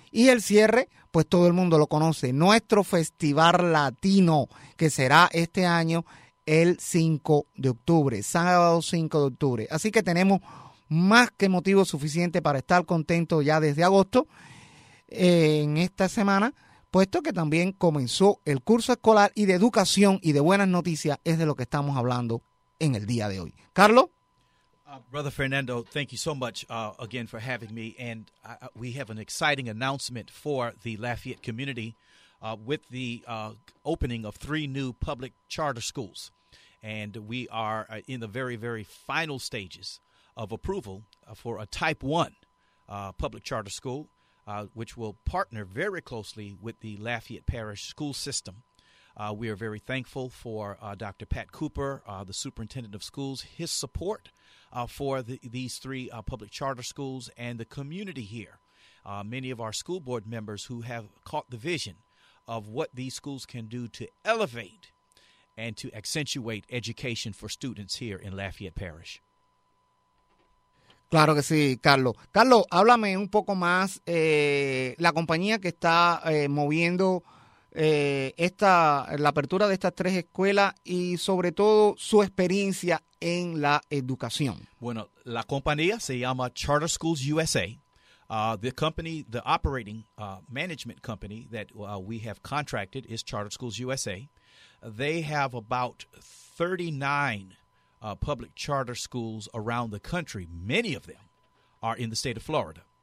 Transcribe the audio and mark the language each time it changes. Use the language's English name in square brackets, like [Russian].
[Spanish] Y el cierre, pues todo el mundo lo conoce, nuestro Festival Latino, que será este año el 5 de octubre, sábado 5 de octubre. Así que tenemos más que motivo suficiente para estar contentos ya desde agosto, en esta semana, puesto que también comenzó el curso escolar y de educación y de buenas noticias es de lo que estamos hablando en el día de hoy. Carlos. [English] Brother Fernando, thank you so much again for having me. And we have an exciting announcement for the Lafayette community with the opening of three new public charter schools. And we are in the very, very final stages of approval for a Type 1 public charter school, which will partner very closely with the Lafayette Parish school system. We are very thankful for Dr. Pat Cooper, the superintendent of schools, his support for these three public charter schools and the community here. Many of our school board members who have caught the vision of what these schools can do to elevate and to accentuate education for students here in Lafayette Parish. [Spanish] Claro que sí, Carlos. Carlos, háblame un poco más la compañía que está moviendo la apertura de estas tres escuelas y sobre todo su experiencia en la educación. Bueno, la compañía se llama Charter Schools USA. [English] The company, the operating management company that we have contracted is Charter Schools USA. They have about 39 public charter schools around the country. Many of them are in the state of Florida.